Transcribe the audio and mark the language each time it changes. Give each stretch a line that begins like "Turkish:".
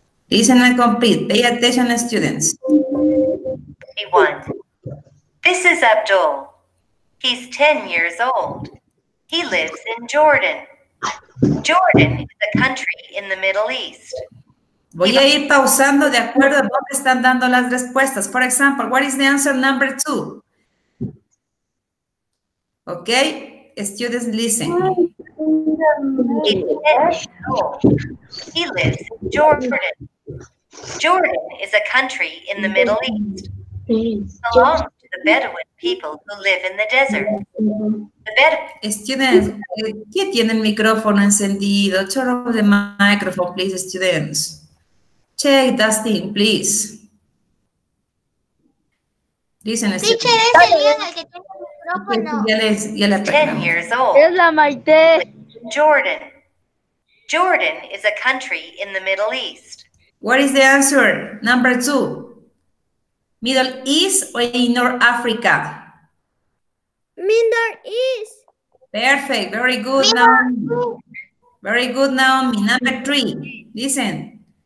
English: Listen and complete. Pay attention, students. 51. This is Abdul. He's 10 years old. He lives in Jordan. Jordan is a country in the Middle East.
Spanish: Voy a ir pausando de acuerdo a dónde están dando las respuestas.
English: For example, what is the answer number two? Okay, students, listen. He lives in Jordan. Jordan is a country in the Middle East. It belongs to the Bedouin people who live in the desert.
Spanish: Students, ¿qué tiene el micrófono encendido?
English: Turn off the microphone, please, students. Check, Dustin, please. Listen,
Spanish: teacher, ese es el día en el que tiene el micrófono. Ya le
English: 10 years old.
Spanish: Es la Maite.
English: Jordan. Jordan is a country in the Middle East. What is the answer? Number two. Middle East or in North Africa? Middle East. Perfect. Very good, Naomi. Very good, Naomi. Number three. Listen.